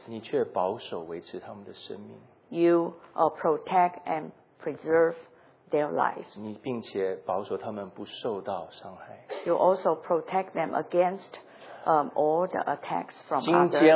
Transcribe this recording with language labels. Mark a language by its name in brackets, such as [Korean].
[Chinese] 你却保守维持他们的生命, [English] you protect and preserve their lives. [Chinese] 你并且保守他们不受到伤害, [English] you also protect them against all the attacks from others.